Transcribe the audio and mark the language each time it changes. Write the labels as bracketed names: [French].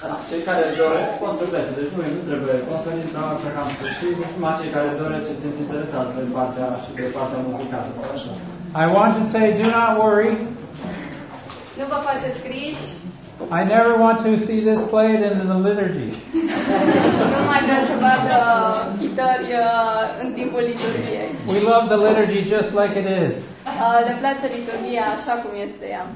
[Romanian] Cei care doresc pot să plece, deci nu trebuie conferința așa cam să știi, numai cei care doresc și sunt interesați de partea și de partea muzicală, sau așa. [English] I want to say, do not worry. [Romanian] Nu vă faceți griji. [English] I never want to see this played in the liturgy. [Romanian] Nu mai vreau să vadă chitări în timpul liturgiei. [English] We love the liturgy just like it is. [Romanian] Le place liturgia așa cum este ea.